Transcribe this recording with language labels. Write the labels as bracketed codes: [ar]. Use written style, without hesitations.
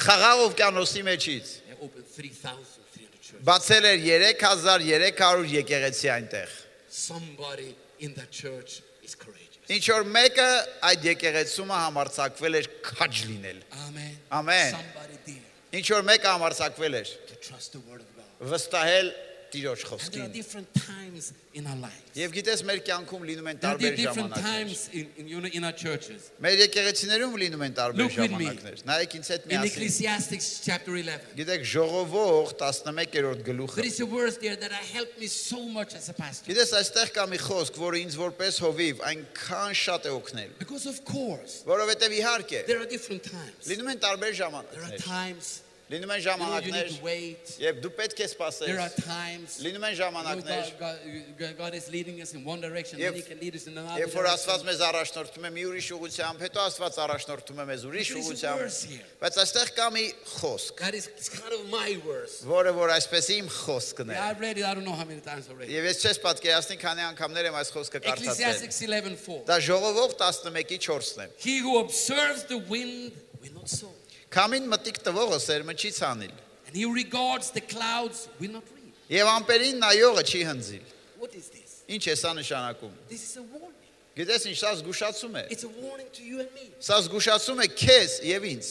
[hy] Խաղաղ օվկիանոսի մեջից։ Բացել էր 3300 եկեղեցի այնտեղ։ Ինչ որ մեկը այդ եկեղեցումը համարձակվել էր քաջ լինել։ Ամեն։ Ինչ որ մեկը համարձակվել էր վստահել Տիրոջ խոսքին։ Եվ գիտես, մեր կյանքում լինում են տարբեր ժամանակներ։ Մեր եկեղեցիներում լինում են տարբեր ժամանակներ։ Նայեք ինձ հետ միասին։ [en] In Ecclesiastes chapter 11. [hy] Գիտեք, Ժողովող 11-րդ գլուխը։ [en] There is a verse there that I helped me so much as a pastor. [hy] Գիտես, այստեղ կա մի խոսք, որը ինձ որպես հովիվ այնքան շատ է օգնել։ [en] Because of course. [hy] Որովհետև իհարկե։ [en] There are different times. [hy] Լինում են տարբեր ժամանակներ։ [en] There are times. [hy] Լինում են ժամանակներ, երբ դու պետք է սպասես։ Լինում են ժամանակներ, [en] God is leading us in one direction, then he can lead us in another. [hy] Երբ որ Աստված մեզ առաջնորդում է մի ուրիշ ուղությամբ, հետո Աստված առաջնորդում է մեզ ուրիշ ուղությամբ։ Բայց այստեղ կա մի խոսք։ [en] God is kind of my words. [hy] Որը որ այսպես իմ խոսքն է։ [en] Yeah, I've read it, I don't know how many times already. [hy] Եվ ես չես պատկերացնի, քանի անգամներ եմ այս խոսքը կարդացել։ [en] Ecclesiastes 11:4. [hy] Դա Ժողովող 11:4-ն է։ [en] He who observes the wind will not sow. [hy] Կամին մտիկ տվողը սերմը չի ցանիլ։ [en] And he regards the clouds will not rain. [hy] Եվ ամպերին նայողը չի հնձիլ։ [en] What is this? [hy] Ինչ է սա նշանակում։ [en] This is a warning. [hy] Գիտես ինչ սա զգուշացում է։ [en] It's a warning to you and me. [hy] Սա զգուշացում է քեզ եւ ինձ։